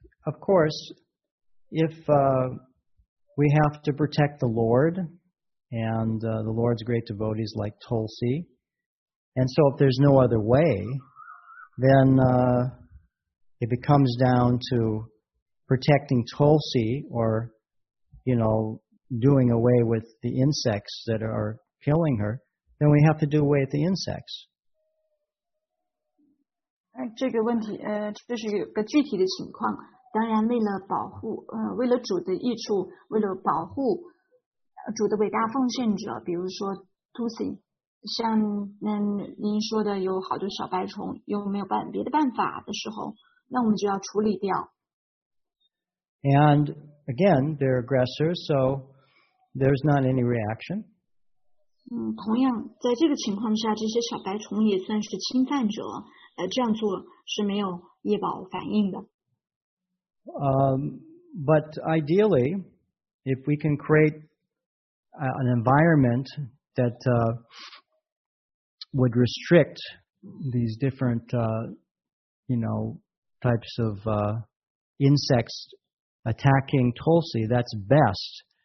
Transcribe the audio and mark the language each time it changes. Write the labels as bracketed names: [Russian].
[English] Of course, if we have to protect the Lord and the Lord's great devotees like Tulsi, and so if there's no other way, then it becomes down to protecting Tulsi or, you know, doing away with the insects that are killing her, then we have to do away with the insects. [Chinese] 这个问题，这是一个具体的情况。当然，为了保护，为了主的益处，为了保护主的伟大奉献者，比如说 Tusi， 像您说的，有好多小白虫，又没有别的办法的时候，那我们就要处理掉。 [English] And again, they're aggressors, so there's not any reaction. [Chinese] 同样，在这个情况下，这些小白虫也算是侵犯者，这样做是没有业报反应的。 [English] But ideally, if we can create an environment that would restrict these different, types of insects attacking Tulsi, that's best.